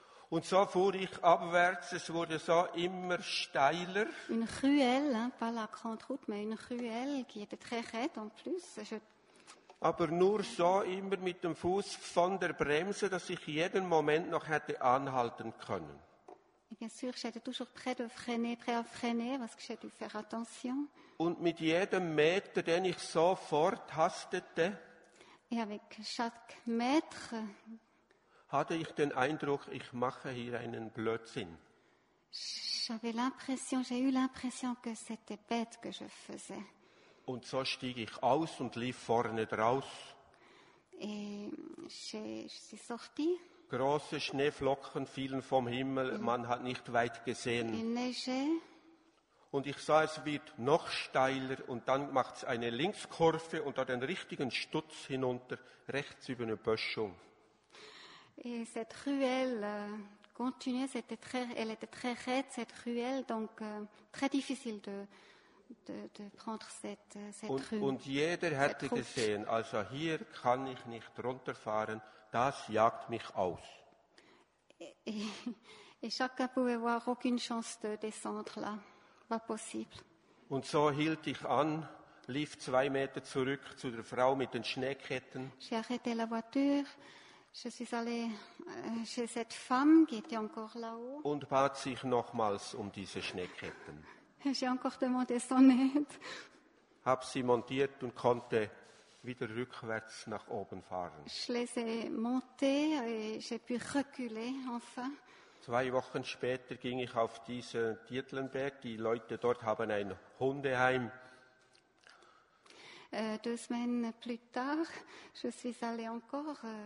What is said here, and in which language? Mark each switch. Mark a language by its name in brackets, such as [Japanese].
[German] Und so fuhr ich abwärts, es wurde so immer steiler. [French] Une ruelle, hein? Pas la grande route, mais une ruelle qui était très raide en plus. [German] Aber nur so immer mit dem Fuß von der Bremse, dass ich jeden Moment noch hätte anhalten können. [French] Et bien sûr, j'étais toujours prêt de freiner, prêt à freiner, parce que j'ai dû faire attention. [German] Und mit jedem Meter, den ich so forthastete, [French] et avec chaque mètre, [German] hatte ich den Eindruck, ich mache hier einen Blödsinn. [French] J'avais l'impression, j'ai eu l'impression que c'était bête que je faisais. [German] Und so stieg ich aus und lief vorne draus. [French] Et je suis sortie. [German] Große Schneeflocken fielen vom Himmel, man hat nicht weit gesehen. [French] Il neigeait. [German] Und ich sah, es wird noch steiler und dann macht es eine Linkskurve und dort einen richtigen Stutz hinunter, rechts über eine Böschung. [French] Et cette ruelle continuait, elle était très raide, cette ruelle, donc très difficile de prendre cette [German] und, [French] rue. [German] Und jeder hätte route gesehen, also hier kann ich nicht runterfahren, das jagt mich aus. [French] Et chacun pouvait voir, aucune chance de descendre là, pas possible. [German] Und so hielt ich an, lief 2 Meter zurück zu der Frau mit den Schneeketten. [French] J'ai arrêté la voiture. Je suis allée chez cette femme qui était encore là-haut. [German] Und bat sich nochmals um diese Schneeketten. [French] J'ai encore demandé son aide. [German] Hab sie montiert und konnte wieder rückwärts nach oben fahren. [French] Je les ai montées et j'ai pu reculer enfin. [German] 2 Wochen später ging ich auf diesen Dietlenberg. Die Leute dort haben ein Hundeheim. [French] 2 semaines plus tard, je suis allée encore.